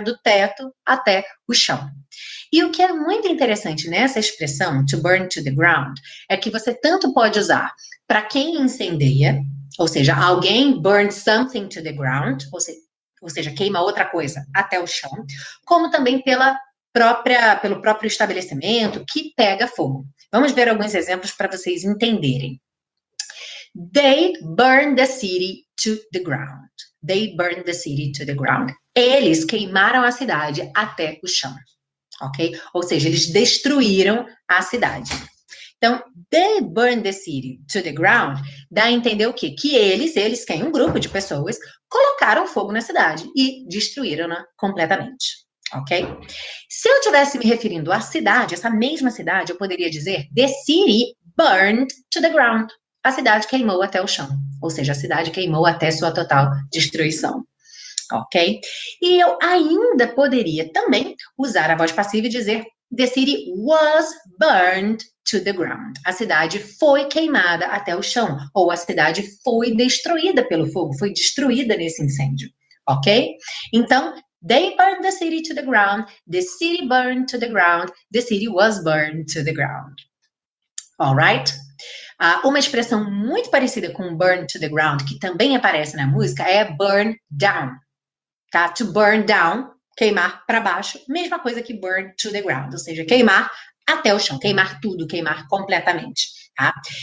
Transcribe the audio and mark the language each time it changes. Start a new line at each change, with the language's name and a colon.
Portuguese: Do teto até o chão. E o que é muito interessante nessa expressão,
English: to burn to the ground,
Portuguese: é que você tanto pode usar para quem incendeia, ou seja, alguém
English: burn something to the ground,
Portuguese: ou seja, queima outra coisa até o chão, como também pelo próprio estabelecimento que pega fogo. Vamos ver alguns exemplos para vocês entenderem.
English: They burned the city to the ground. They burned the city to the ground.
Portuguese: Eles queimaram a cidade até o chão, ok? Ou seja, eles destruíram a cidade. Então,
English: they burned the city to the ground
Portuguese: dá a entender o quê? Que eles, quem? Um grupo de pessoas, colocaram fogo na cidade e destruíram-na completamente. Ok? Se eu estivesse me referindo à cidade, essa mesma cidade, eu poderia dizer
English: the city burned to the ground.
Portuguese: A cidade queimou até o chão. Ou seja, a cidade queimou até sua total destruição. Ok? E eu ainda poderia também usar a voz passiva e dizer
English: the city was burned to the ground.
Portuguese: A cidade foi queimada até o chão. Ou a cidade foi destruída pelo fogo, foi destruída nesse incêndio. Ok? Então,
English: they burned the city to the ground. The city burned to the ground. The city was burned to the ground. All right?
Portuguese: Uma expressão muito parecida com
English: burn to the ground,
Portuguese: que também aparece na música, é burn down. Tá? To burn down, queimar para baixo, mesma coisa que
English: burn to the ground,
Portuguese: ou seja, queimar até o chão, queimar tudo, queimar completamente. Tá?